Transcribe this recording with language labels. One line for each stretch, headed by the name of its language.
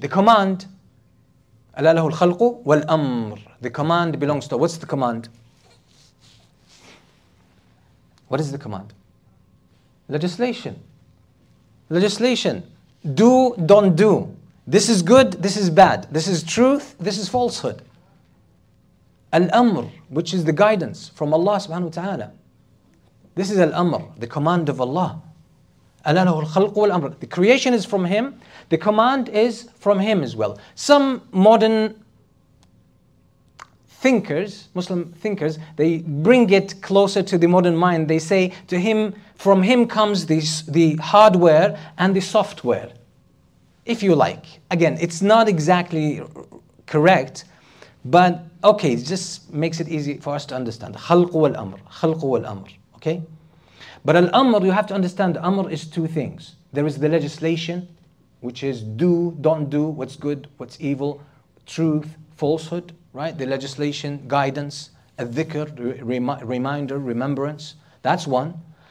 English: The command,
Arabic: أَلَا لَهُ الْخَلْقُ وَالْأَمْرُ.
English: The command belongs to, what's the command? What is the command? Legislation. Legislation. Do, don't do. This is good, this is bad. This is truth, this is falsehood. Al-Amr, which is the guidance from Allah subhanahu wa ta'ala. This is Al-Amr, the command of Allah.
Arabic: Alalahu al-khalq wal-amr.
English: The creation is from Him, the command is from Him as well. Some modern thinkers, Muslim thinkers, they bring it closer to the modern mind. They say to Him, from Him comes the hardware and the software, if you like. Again, it's not exactly correct, but okay, it just makes it easy for us to understand.
Arabic: خلق والأمر, خلق والأمر,
English: okay? But Al-Amr, you have to understand, Amr is two things. There is the legislation, which is do, don't do, what's good, what's evil, truth, falsehood, right? The legislation, guidance, al-dhikr, reminder, remembrance, that's one.